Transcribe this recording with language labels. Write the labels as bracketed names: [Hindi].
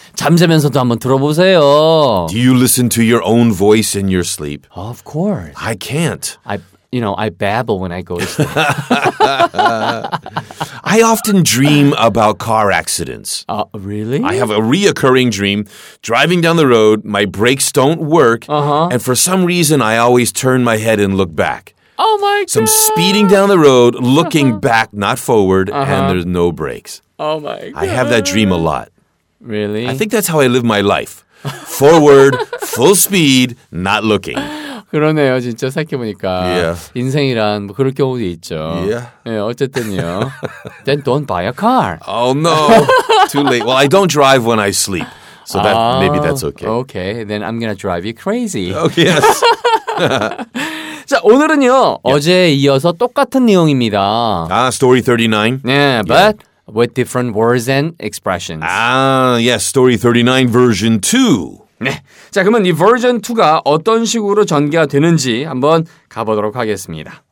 [Korean] 잠자면서도 한번 들어보세요. [English] Do you listen to your own voice in your sleep? Of course. I can't. I babble when I go to sleep. I often dream about car accidents. Really? I have a reoccurring dream. Driving down the road, my brakes don't work. Uh-huh. And for some reason, I always turn my head and look back. Oh, my God. So I'm speeding down the road, looking back, not forward, and there's no brakes. Oh, my God. I have that dream a lot. Really? I think that's how I live my life. Forward, full speed, not looking. [Korean] 그러네요, 진짜 생각해보니까. [English] Yeah. [Korean] 인생이란 뭐 그럴 경우도 있죠. [English] Yeah. [Korean] 네, 어쨌든요. [English] Then don't buy a car. Oh, no. Too late. Well, I don't drive when I sleep. So that, maybe that's okay. Okay, then I'm going to drive you crazy. Oh, yes. [Korean] 자, 오늘은요, [English] yep. [Korean] 어제에 이어서 똑같은 내용입니다. [English] Ah, story 39. Yeah, but yeah. with different words and expressions. Ah, yes, story 39 version 2. [Korean] 네, 자, 그러면 이 version 2가 어떤 식으로 전개가 되는지 한번 가보도록 하겠습니다.